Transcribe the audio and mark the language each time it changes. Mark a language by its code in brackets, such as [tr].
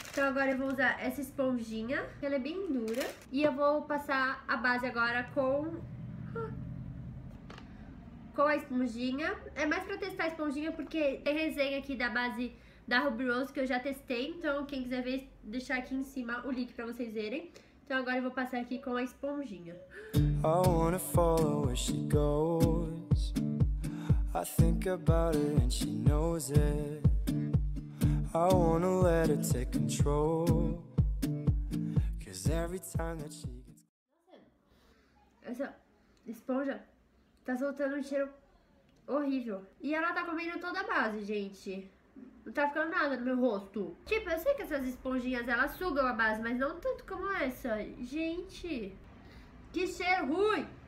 [pt] Então agora eu vou usar essa esponjinha, que ela é bem dura. E eu vou passar a base agora com a esponjinha. É mais pra testar a esponjinha, porque tem resenha aqui da base da Ruby Rose, que eu já testei. Então quem quiser ver, deixar aqui em cima o link pra vocês verem. Então agora eu vou passar aqui com a esponjinha. [en] I wanna follow where she goes. I think about her and she knows it. I wanna let her take control. Cause every time that she gets. [pt] Essa esponja tá soltando um cheiro horrível. E ela tá comendo toda a base, gente. Não tá ficando nada no meu rosto. Tipo, eu sei que essas esponjinhas elas sugam a base, mas não tanto como essa. Gente. Que cheiro ruim!